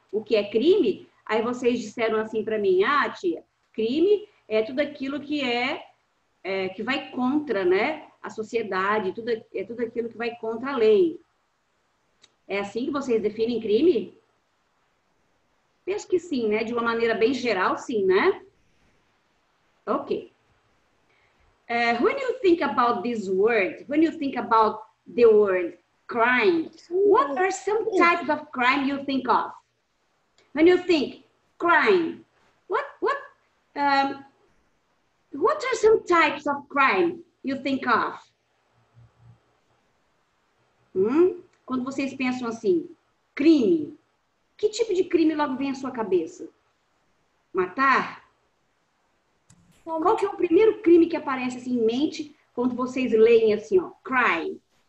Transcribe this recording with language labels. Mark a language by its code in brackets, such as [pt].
[pt] o que é crime, aí vocês disseram assim para mim, ah, tia, crime é tudo aquilo que que vai contra, né, a sociedade, é tudo aquilo que vai contra a lei. É assim que vocês definem crime? Penso que sim, né? De uma maneira bem geral, sim, né? Ok. [en] When you think about this word, when you think about the word crime, what are some types of crime you think of? When you think crime, what are some types of crime you think of? [pt] Quando vocês pensam assim, crime, que tipo de crime logo vem à sua cabeça? Matar? Qual que é o primeiro crime que aparece assim, em mente quando vocês leem assim, ó, crime?